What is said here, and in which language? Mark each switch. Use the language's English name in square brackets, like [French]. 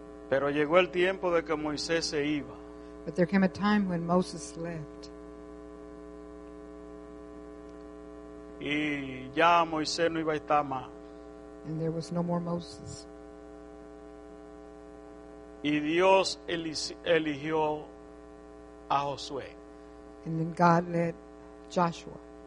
[Spanish] Pero llegó el tiempo de que Moisés se iba. [English] But there came a time when Moses left. [Spanish] Y ya Moisés no iba a estar más. [English] And there was no more Moses. [Spanish] Y Dios eligió a Josué. [English] And then God led Joshua.